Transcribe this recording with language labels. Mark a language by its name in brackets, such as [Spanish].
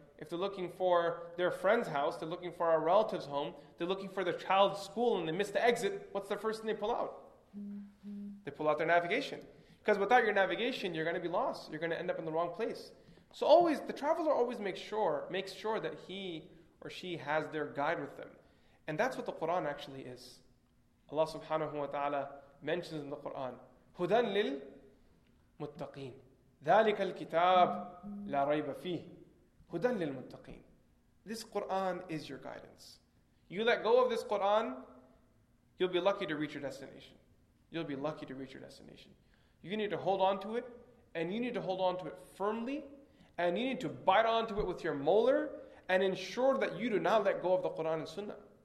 [English] If they're looking for their friend's house, they're looking for a relative's home, they're looking for their child's school and they miss the exit, what's the first thing they pull out? Mm-hmm. They pull out their navigation. Because without your navigation, you're going to be lost. You're going to end up in the wrong place. So always, the traveler always makes sure that he or she has their guide with them. And that's what the Quran actually is. Allah subhanahu wa ta'ala mentions in the Quran, [Arabic] هُدًى لِلْمُتَّقِينَ ذَلِكَ الْكِتَابُ لَا رَيْبَ فِيهِ هُدًى لِلْمُتَّقِينَ. [English] This Qur'an is your guidance. You let go of this Qur'an, you'll be lucky to reach your destination. You'll be lucky to reach your destination. You need to hold on to it, and you need to hold on to it firmly, and you need to bite onto it with your molar, and ensure that you do not let go of the Qur'an and Sunnah.